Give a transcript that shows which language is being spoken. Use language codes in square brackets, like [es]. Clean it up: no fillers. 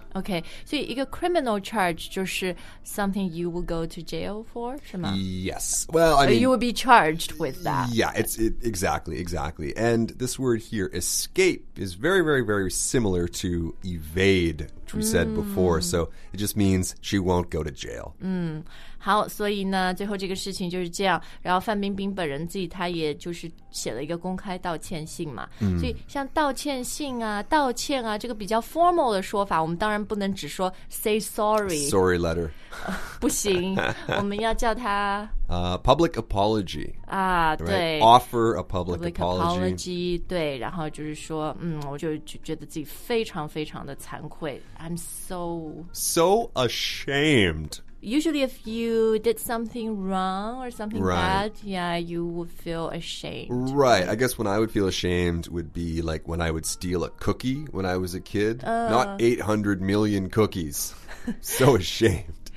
[en] OK, [zh] 所以一个 [en] criminal charge [zh] 就是 [en] something you will go to jail for, [zh] 是吗 [en] Yes. Well, I mean... You will be charged with that. Yeah, exactly. And this word here, escape, is very, very, very similar to evade, which we said before. So it just means she won't go to jail. [zh] 好所以呢最后这个事情就是这样然后范冰冰本人自己他也就是写了一个公开道歉信嘛所以像道歉信啊道歉啊这个比较 formal 的说法我们当然不能只说 [en] say sorry sorry letter、 [zh] 不行我们要叫他 [en] public apology [zh] 啊对、 [en] right? offer a public, public apology [zh] 对然后就是说我就觉得自己非常非常的惭愧 [en] I'm so ashamed Usually if you did something wrong or something bad, yeah, you would feel ashamed. Right. I guess when I would feel ashamed would be like when I would steal a cookie when I was a kid. Not 800 million cookies. So ashamed.